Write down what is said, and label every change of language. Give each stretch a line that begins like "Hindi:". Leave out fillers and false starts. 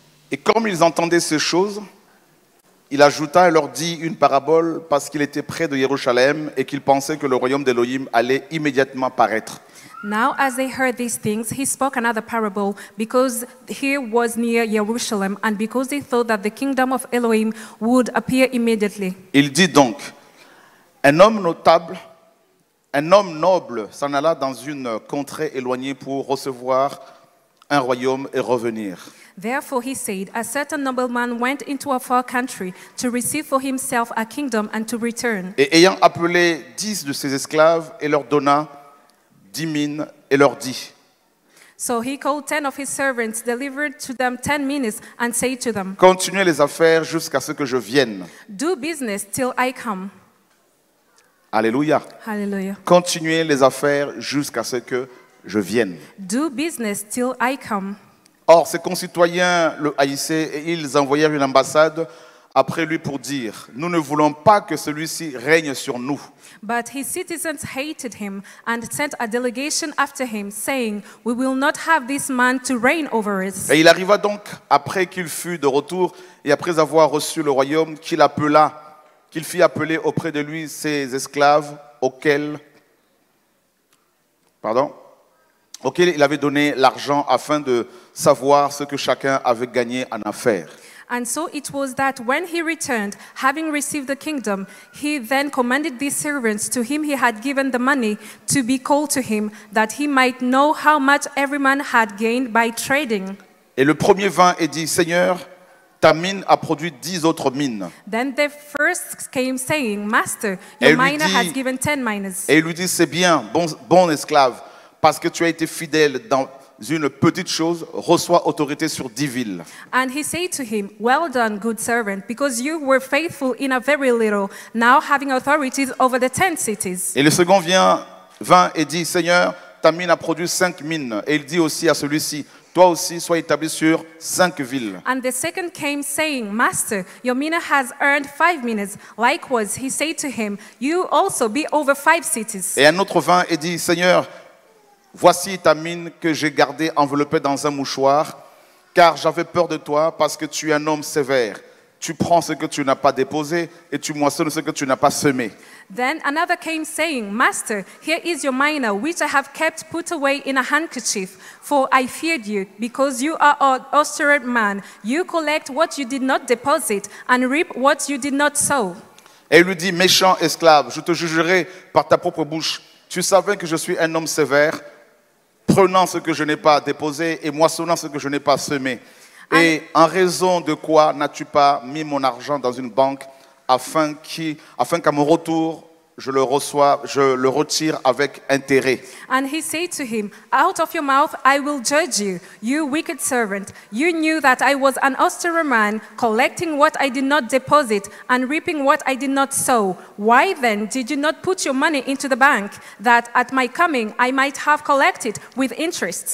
French: Et comme ils entendaient ces choses, il ajouta et leur dit une parabole parce qu'il était près de Jérusalem et qu'il pensait que le royaume d'Élohim allait immédiatement paraître.
English: Now as they heard these things, he spoke another parable because he was near Jerusalem and because they thought that the kingdom of Elohim would appear immediately.
French: Il dit donc: Un homme noble s'en alla dans une contrée éloignée pour recevoir un royaume et revenir.
English: Therefore, he said, a certain nobleman went into a far country to receive for himself a kingdom and to return.
French: Et ayant appelé 10 de ses esclaves et leur donna 10 mines et leur dit.
English: So he called 10 of his servants, delivered to them 10 minas and said to them.
French: Continuez les affaires jusqu'à ce que je vienne.
English: Do business till I come.
French: Alléluia. Alléluia. Continuez les affaires jusqu'à ce que je vienne.
English: Do business till I come.
French: Or, ses concitoyens le haïssaient et ils envoyèrent une ambassade après lui pour dire, nous ne voulons pas que celui-ci règne sur nous.
English: But his citizens hated him and sent a delegation after him, saying, we will not have this man to reign over us.
French: Et il arriva donc, après qu'il fut de retour et après avoir reçu le royaume, qu'il appela qu'il fit appeler auprès de lui ses esclaves auxquels il avait donné l'argent afin de savoir ce que chacun avait gagné en affaires.
English: And so it was that when he returned, having received the kingdom, he then commanded these servants to whom he had given the money to be called to him, that he might know how much every man had gained by trading.
French: Et le premier vint et dit, Seigneur, ta mine a produit 10 autres mines.
English: Then the first came saying, Master, your miner has given 10 miners.
French: Et il lui dit, c'est bien, bon esclave, parce que tu as été fidèle dans une petite chose, reçois autorité sur 10 villes.
English: And he said to him, well done, good servant, because you were faithful in a very little, now having authority over the 10 cities.
French: Et le second vint et dit, Seigneur, ta mine a produit 5 mines. Et il dit aussi à celui-ci, toi aussi, sois établi sur 5 villes.
English: And the second came saying, Master, your mina has earned 5 minas. Likewise, he said to him, you also be over 5 cities.
French: Et un autre vint et dit, Seigneur, voici ta mine que j'ai gardée enveloppée dans un mouchoir, car j'avais peur de toi parce que tu es un homme sévère. tu prends ce que tu n'as pas déposé et tu moissonnes ce que tu n'as pas semé.
English: Then another came saying, Master, here is your mina, which I have kept put away in a handkerchief, for I feared you, because you are an austere man. You collect what you did not deposit and reap what you did not sow.
French: Et il lui dit, méchant esclave, je te jugerai par ta propre bouche. Tu savais que je suis un homme sévère, prenant ce que je n'ai pas déposé et moissonnant ce que je n'ai pas semé. Et en raison de quoi n'as-tu pas mis mon argent dans une banque afin qu'à mon retour, je le retire avec intérêt.
English: And he said to him, out of your mouth I will judge you, you wicked servant. You knew that I was an austere man, collecting what I did not deposit and reaping what I did not sow. Why then did you not put your money into the bank, that at my coming I might have collected with interest?